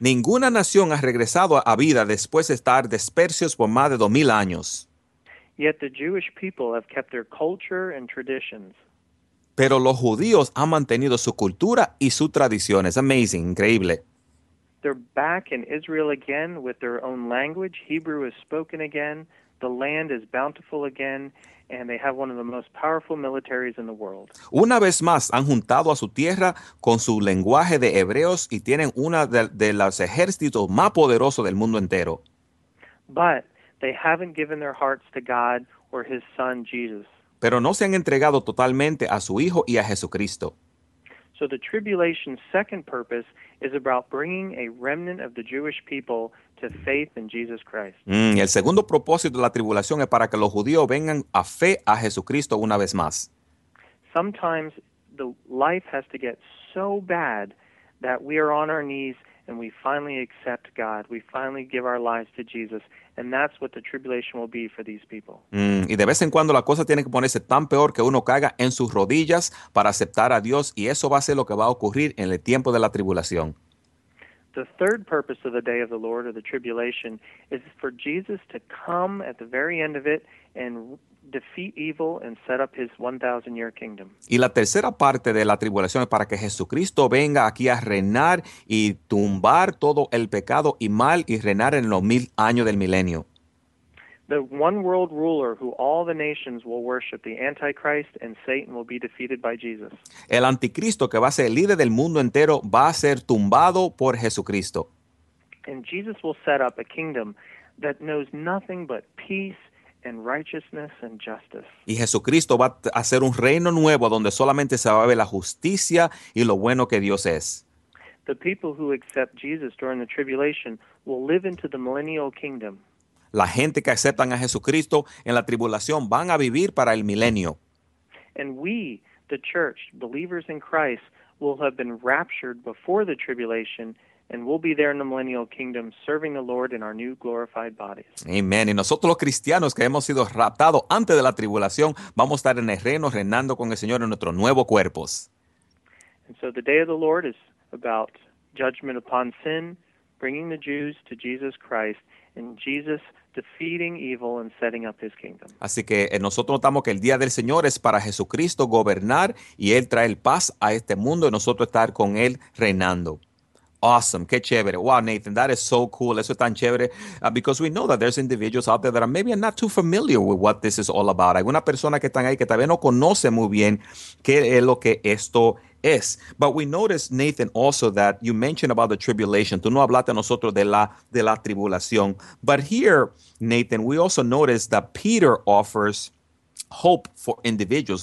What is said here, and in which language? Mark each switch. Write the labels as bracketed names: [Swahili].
[Spanish] Ninguna nación ha regresado a vida después de estar dispersos por más de 2,000 años. [English] Yet the Jewish people have kept their culture and traditions. [Spanish] Pero los judíos han mantenido su cultura y sus tradiciones. [English] Amazing, [Spanish] increíble. [English] They're back in Israel again with their own language. Hebrew is spoken again. The land is bountiful again. And they have one of the most powerful militaries in the world. [Spanish] Una vez más, han juntado a su tierra con su lenguaje de hebreos y tienen una de los ejércitos más poderosos del mundo entero. [English] But they haven't given their hearts to God or his son, Jesus. [Spanish] Pero no se han entregado totalmente a su Hijo y a Jesucristo. [English] So the tribulation's second purpose is about bringing a remnant of the Jewish people to faith in Jesus Christ. [Spanish] El segundo propósito de la tribulación es para que los judíos vengan a fe a Jesucristo una vez más. [English] Sometimes the life has to get so bad that we are on our knees and we finally accept God. We finally give our lives to Jesus. And that's what the tribulation will be for these people. [Spanish] Y de vez en cuando la cosa tiene que ponerse tan peor que uno caiga en sus rodillas para aceptar a Dios. Y eso va a ser lo que va a ocurrir en el tiempo de la tribulación. [English] The third purpose of the day of the Lord or the tribulation is for Jesus to come at the very end of it and defeat evil and set up his 1,000-year kingdom. [Spanish] Y la tercera parte de la tribulación es para que Jesucristo venga aquí a reinar y tumbar todo el pecado y mal y reinar en los 1,000 años del milenio. [English] The one world ruler who all the nations will worship, the Antichrist, and Satan will be defeated by Jesus. [Spanish] El anticristo que va a ser el líder del mundo entero va a ser tumbado por Jesucristo. [English] And Jesus will set up a kingdom that knows nothing but peace and righteousness and justice. [Spanish] Y Jesucristo va a hacer un reino nuevo donde solamente se va a ver la justicia y lo bueno que Dios es. [English] The people who accept Jesus during the tribulation will live into the millennial kingdom. [Spanish] La gente que aceptan a Jesucristo en la tribulación van a vivir para el milenio. [English] And we, the church, believers in Christ, will have been raptured before the tribulation. And we'll be there in the millennial kingdom, serving the Lord in our new glorified bodies. [Spanish] Amen. Y nosotros los cristianos que hemos sido raptados antes de la tribulación, vamos a estar en el reino, reinando con el Señor en nuestros nuevos cuerpos. [English] And so the day of the Lord is about judgment upon sin, bringing the Jews to Jesus Christ, and Jesus defeating evil and setting up his kingdom. [Spanish] Así que nosotros notamos que el día del Señor es para Jesucristo gobernar, y Él trae paz a este mundo, y nosotros estar con Él reinando. [English] Awesome. [Spanish] Qué chévere. [English] Wow, Nathan, that is so cool. [Spanish] Eso es tan chévere. [English] Because we know that there's individuals out there that are maybe not too familiar with what this is all about. [Spanish] Hay una persona que están ahí que tal vez no conoce muy bien qué es lo que esto es. [English] But we noticed, Nathan, also that you mentioned about the tribulation. [Spanish] Tú no hablaste a nosotros de la tribulación. [English] But here, Nathan, we also noticed that Peter offers hope for individuals.